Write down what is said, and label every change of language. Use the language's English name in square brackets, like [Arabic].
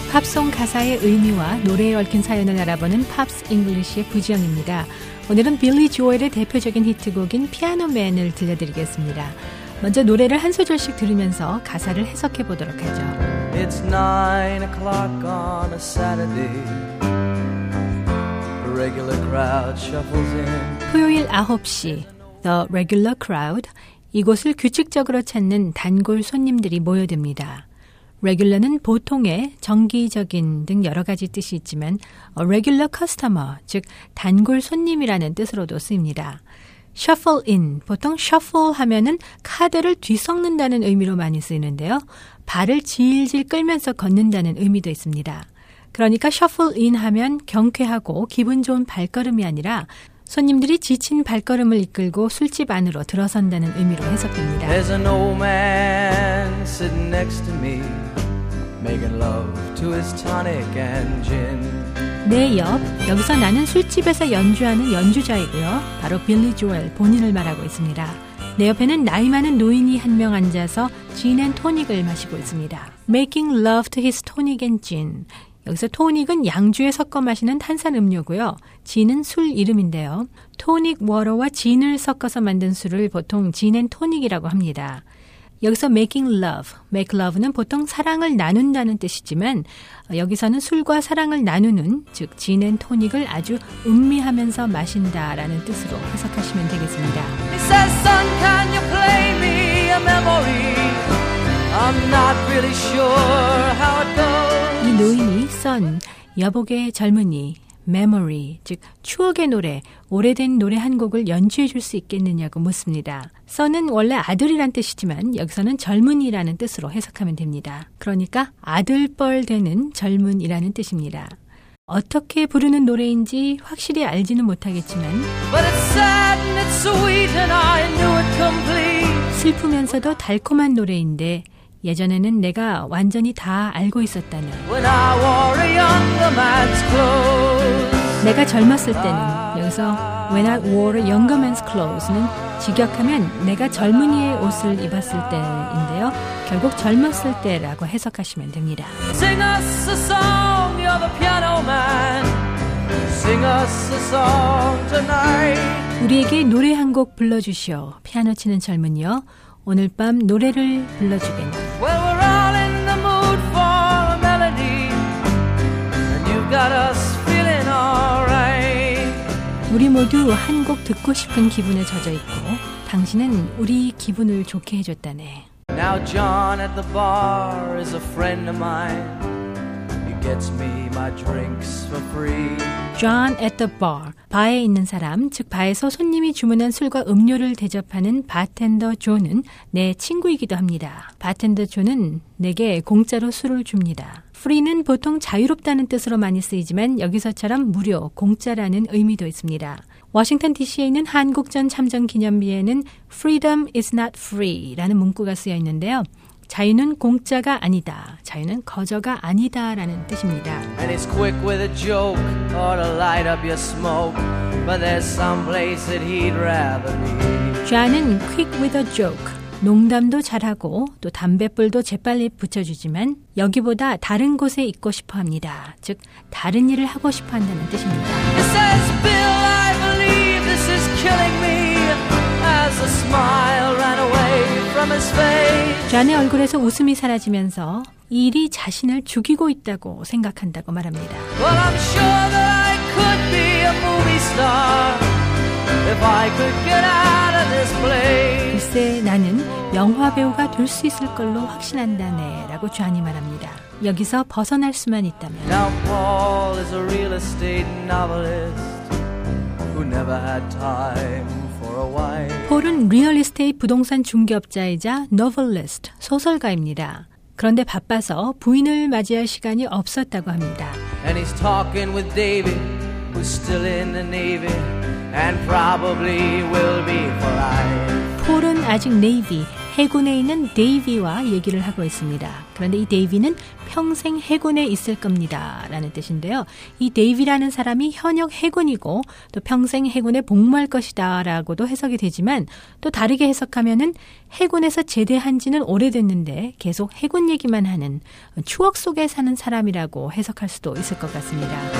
[Korean] 팝송 가사의 의미와 노래에 얽힌 사연을 알아보는 팝스 잉글리시의 부지영입니다. 오늘은 빌리 조엘의 대표적인 히트곡인 피아노맨을 들려드리겠습니다. 먼저 노래를 한 소절씩 들으면서 가사를 해석해 보도록 하죠. [English] It's 9 o'clock on a Saturday. The regular crowd shuffles in. [Korean] 토요일 9시. [English] The regular crowd. [Korean] 이곳을 규칙적으로 찾는 단골 손님들이 모여듭니다. Regular는 보통의, 정기적인 등 여러 가지 뜻이 있지만 [English] a regular customer, [Korean] 즉 단골 손님이라는 뜻으로도 쓰입니다. Shuffle in, 보통 shuffle 하면은 카드를 뒤섞는다는 의미로 많이 쓰이는데요. 발을 질질 끌면서 걷는다는 의미도 있습니다. 그러니까 shuffle in 하면 경쾌하고 기분 좋은 발걸음이 아니라 손님들이 지친 발걸음을 이끌고 술집 안으로 들어선다는 의미로 해석됩니다. [English] There's an old man sitting next to me, making love to his tonic and gin. [Korean] 내 옆, 여기서 나는 술집에서 연주하는 연주자이고요. 바로 빌리 조엘 본인을 말하고 있습니다. 내 옆에는 나이 많은 노인이 한 명 앉아서 진 앤 토닉을 마시고 있습니다. [English] Making love to his tonic and gin. [Korean] 여기서 토닉은 양주에 섞어 마시는 탄산 음료고요. 진은 술 이름인데요. 토닉 워터와 진을 섞어서 만든 술을 보통 진 앤 토닉이라고 합니다. 여기서 making love, make love는 보통 사랑을 나눈다는 뜻이지만 여기서는 술과 사랑을 나누는, 즉 진 앤 토닉을 아주 음미하면서 마신다라는 뜻으로 해석하시면 되겠습니다. [English] He says, son, can you play me a memory? I'm not really sure how it goes. [Korean] 이 노인이 son, 여보게 젊은이, memory, 즉 추억의 노래, 오래된 노래 한 곡을 연주해 줄 수 있겠느냐고 묻습니다. son은 원래 아들이란 뜻이지만 여기서는 젊은이라는 뜻으로 해석하면 됩니다. 그러니까 아들뻘 되는 젊은이라는 뜻입니다. 어떻게 부르는 노래인지 확실히 알지는 못하겠지만 [English] But it's sad and it's sweet and I knew it complete. [Korean] 슬프면서도 달콤한 노래인데 예전에는 내가 완전히 다 알고 있었다는 [English] When I wore a younger man's clothes. [Korean] 내가 젊었을 때는 여기서 [English] When I wore a younger man's clothes [Korean] 는 직역하면 내가 젊은이의 옷을 입었을 때인데요. 결국 젊었을 때라고 해석하시면 됩니다. [English] Sing us a song, you're the piano man. Sing us a song tonight. [Korean] 우리에게 노래 한 곡 불러주시오. 피아노 치는 젊은이요. 오늘 밤 노래를 불러주겠네. [English] Well, we're all in the mood for a melody. And you've got us feeling alright. [Korean] 우리 모두 한 곡 듣고 싶은 기분에 젖어 있고, 당신은 우리 기분을 좋게 해줬다네. [English] Now, John at the bar is a friend of mine. He gets me my drinks for free. John at the bar, [Korean] 바에 있는 사람, 즉 바에서 손님이 주문한 술과 음료를 대접하는 바텐더 존은 내 친구이기도 합니다. 바텐더 존은 내게 공짜로 술을 줍니다. Free는 보통 자유롭다는 뜻으로 많이 쓰이지만 여기서처럼 무료, 공짜라는 의미도 있습니다. 워싱턴 DC에 있는 한국전 참전 기념비에는 [English] Freedom is not free [Korean] 라는 문구가 쓰여 있는데요. 자유는 공짜가 아니다. 자유는 거저가 아니다 라는 뜻입니다. [English] And he's quick with a joke or to light up your smoke. But there's some place that he'd rather be. John은 quick with a joke. [Korean] 농담도 잘하고 또 담뱃불도 재빨리 붙여주지만 여기보다 다른 곳에 있고 싶어 합니다. 즉 다른 일을 하고 싶어 한다는 뜻입니다. [English] He says, Bill, I believe this is killing me. As a smile ran away from his face. [Korean] 존의 얼굴에서 웃음이 사라지면서 일이 자신을 죽이고 있다고 생각한다고 말합니다. [English] Well, I'm sure that I could be a movie star if I could get out of this place. [Korean] 글쎄 나는 영화 배우가 될 수 있을 걸로 확신한다네 라고 존이 말합니다. 여기서 벗어날 수만 있다면 [English] Now Paul is a real estate novelist who never had time. [Korean] 폴은 리얼리스테이트 부동산 중개업자이자 노벨리스트, 소설가입니다. 그런데 바빠서 부인을 맞이할 시간이 없었다고 합니다. [English] And he's talking with David, who's still in the Navy, and probably will be for life. [Korean] 폴은 아직 네이비, 해군에 있는 데이비와 얘기를 하고 있습니다. 그런데 이 데이비는 평생 해군에 있을 겁니다 라는 뜻인데요. 이 데이비라는 사람이 현역 해군이고 또 평생 해군에 복무할 것이다 라고도 해석이 되지만 또 다르게 해석하면은 해군에서 제대한 지는 오래됐는데 계속 해군 얘기만 하는 추억 속에 사는 사람이라고 해석할 수도 있을 것 같습니다.